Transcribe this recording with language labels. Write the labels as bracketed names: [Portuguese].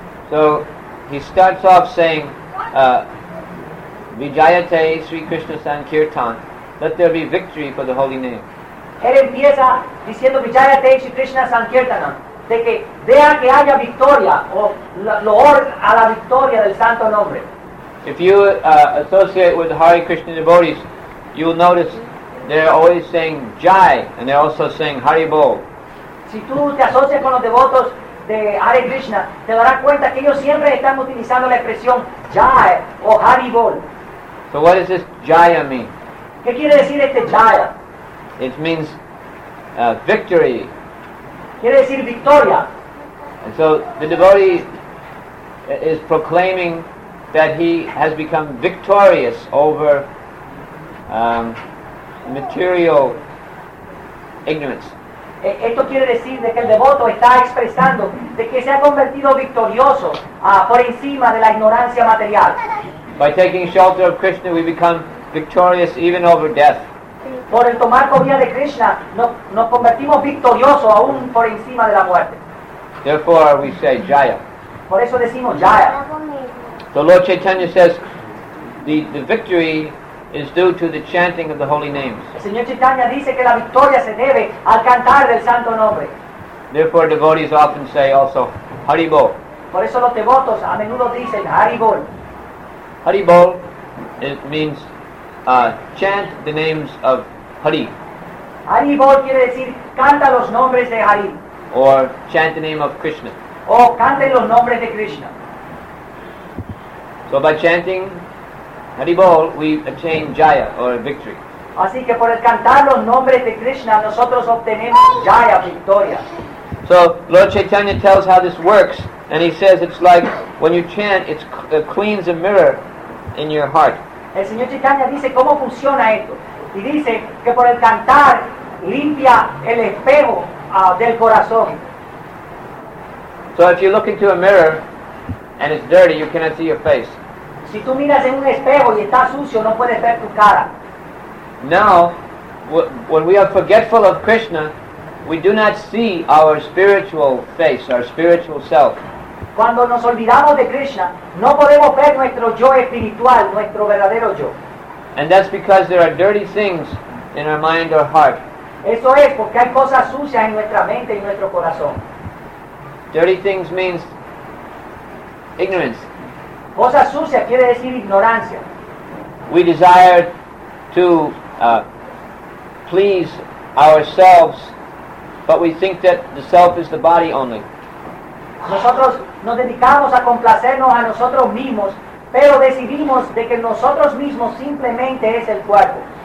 [English] So, he starts off saying, [Sanskrit] Vijayate Sri Krishna Sankirtan, [English] let there be victory for the holy name. [Spanish] Él empieza diciendo [Sanskrit] Vijayate Sri Krishna Sankirtan, [Spanish] de que vea que haya victoria, o loor a la victoria del santo nombre. [English] If you associate with Hare Krishna devotees, you will notice they're always saying Jai, and they're also saying Hari Bol. [Spanish] Si tú te asocias con los devotos de Hare Krishna, te darás cuenta que ellos siempre están utilizando la expresión Jai o Hari Bol. [English] So what does this Jaya mean? [Spanish] ¿Qué quiere decir este Jaya? [English] It means victory. [Spanish] Quiere decir victoria. [English] And so the devotee is proclaiming that he has become victorious over material ignorance. [Spanish] Esto quiere decir de que el devoto está expresando de que se ha convertido victorioso por encima de la ignorancia material. [English] By taking shelter of Krishna, we become victorious even over death. [Spanish] Por el tomar cobija de Krishna, nos convertimos victorioso aún por encima de la muerte. [English] Therefore, we say Jaya. [Spanish] Por eso decimos Jaya. [English] So Lord Chaitanya says, the victory is due to the chanting of the holy names. [Spanish] Señor Chaitanya dice que la victoria se debe al cantar del santo nombre. [English] Therefore, devotees often say also Hari Bol. [Spanish] Por eso los devotos a menudo dicen Hari Bol. [English] Hari Bol, it means chant the names of Hari. [Spanish] Hari Bol quiere decir canta los nombres de Hari. [English] Or chant the name of Krishna. [Spanish] O cante los nombres de Krishna. [English] So by chanting Hari Bol, we attain Jaya, or victory. [Spanish] Así que por el cantar los nombres de Krishna, nosotros obtenemos Jaya, victoria. [English] So, Lord Chaitanya tells how this works, and he says it's like when you chant, it cleans a mirror in your heart. [Spanish] El Señor Chaitanya dice cómo funciona esto. Y dice que por el cantar limpia el espejo del corazón. [English] So if you look into a mirror, and it's dirty, you cannot see your face. [Spanish] Si tú miras en un espejo y está sucio, no puedes ver tu cara. [English] Now, when we are forgetful of Krishna, we do not see our spiritual face, our spiritual self. [Spanish] Cuando nos olvidamos de Krishna, no podemos ver nuestro yo espiritual, nuestro verdadero yo. [English] And that's because there are dirty things in our mind or heart. [Spanish] Eso es porque hay cosas sucias en nuestra mente y nuestro corazón. [English] Dirty things means ignorance. [Spanish] Cosas sucias quiere decir ignorancia. [English] We desire to please ourselves, but we think that the self is the body only. [Spanish] Nosotros nos dedicamos a complacernos a nosotros mismos, pero decidimos de que nosotros mismos simplemente es el cuerpo.